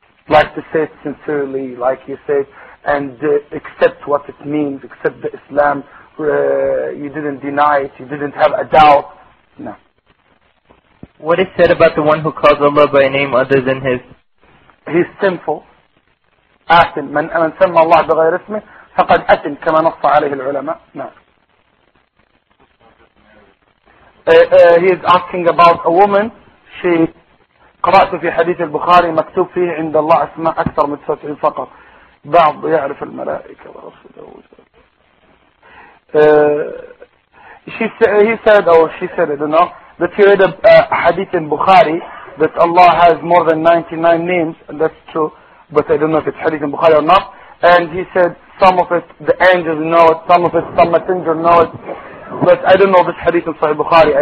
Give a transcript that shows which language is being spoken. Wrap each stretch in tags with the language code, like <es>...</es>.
<en>Like to say it sincerely, like you say it, and accept what it means, accept the Islam, you didn't deny it, you didn't have a doubt, no. What is said about the one who calls Allah by a name other than his? He's sinful.</en> <ar>آثم من أمن سمى الله بغير اسمه فقد أثم كما نص عليه العلماء.</ar> <en>No. He is asking about a woman. She</en> <ar>قرأت في حديث البخاري مكتوب فيه عند الله أسماء أكثر من 99 فقط. بعض يعرف الملائكة ورسوله.</ar> <en>She said, I don't know, that he read a hadith in Bukhari that Allah has more than 99 names, and that's true, but I don't know if it's hadith in Bukhari or not. And he said some of it the angels know it, some of it some messenger know it, but I don't know this hadith in Sahih Bukhari.</en>